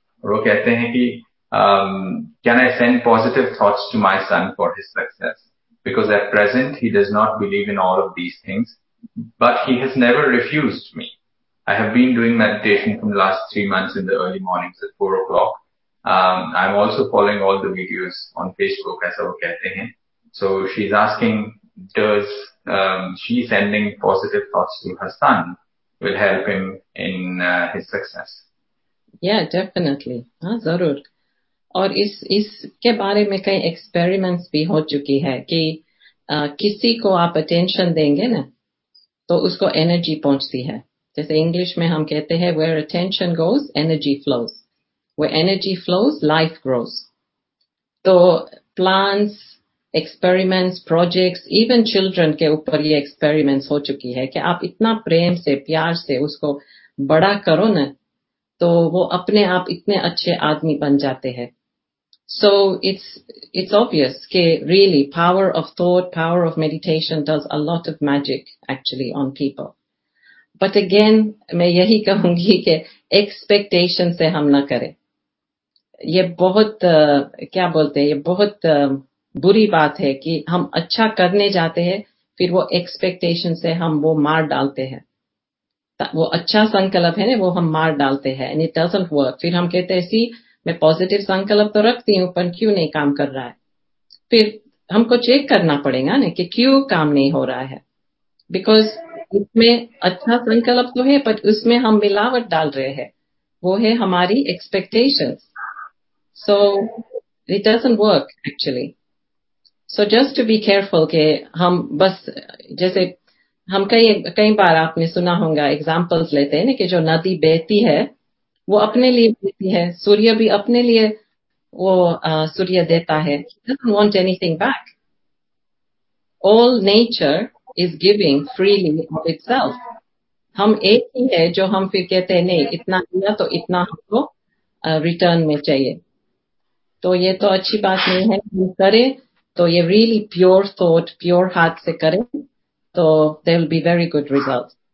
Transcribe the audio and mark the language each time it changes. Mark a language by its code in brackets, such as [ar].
[hi] और वो कहते हैं कि [en] Can I send positive thoughts to my son for his success, because at present he does not believe in all of these things, but he has never refused me. I have been doing meditation from last 3 months in the early mornings at 4 o'clock. I'm also following all the videos on Facebook, as [hi] वो कहते हैं. [en] So she's asking, does she sending positive thoughts to her son will help him in his success? Yeah, definitely. [hi] हाँ, जरूर. और इस इसके बारे में कई experiments भी हो चुकी है कि किसी को आप attention देंगे ना तो उसको energy पहुंचती है. जैसे English में हम कहते हैं [en] where attention goes, energy flows. Where energy flows, life grows. [hi] तो plants, experiments, projects, even children के ऊपर ये experiments हो चुकी है कि आप इतना प्रेम से प्यार से उसको बड़ा करो ना तो वो अपने आप इतने अच्छे आदमी बन जाते हैं. [en] So it's obvious के really power of thought, power of meditation does a lot of magic actually on people. But again, [hi] मैं यही कहूंगी कि expectation से हम ना करें. ये बहुत क्या बोलते हैं, ये बहुत बुरी बात है कि हम अच्छा करने जाते हैं फिर वो एक्सपेक्टेशन से हम वो मार डालते हैं. वो अच्छा संकल्प है ना, वो हम मार डालते हैं [en] And it doesn't work. [hi] फिर हम कहते हैं सी मैं पॉजिटिव संकल्प तो रखती हूँ पर क्यों नहीं काम कर रहा है. फिर हमको चेक करना पड़ेगा ना कि क्यों काम नहीं हो रहा है, बिकॉज उसमें अच्छा संकल्प तो है पर उसमें हम मिलावट डाल रहे हैं, वो है हमारी expectation. [en] So it doesn't work actually. So just to be careful [hi] के हम बस जैसे हम कई बार आपने सुना होगा examples लेते हैं ना कि जो नदी बहती है वो अपने लिए बहती है, सूर्य भी अपने लिए वो सूर्य देता है. [en] He doesn't want anything back. All nature is giving freely of itself. [hi] हम एक ही है जो हम फिर कहते हैं नहीं इतना दिया तो इतना हमको return में चाहिए. तो ये तो अच्छी बात नहीं है. हम करें तो ये [en] really pure thought pure heart [hi] से करें तो [en] They will be very good result.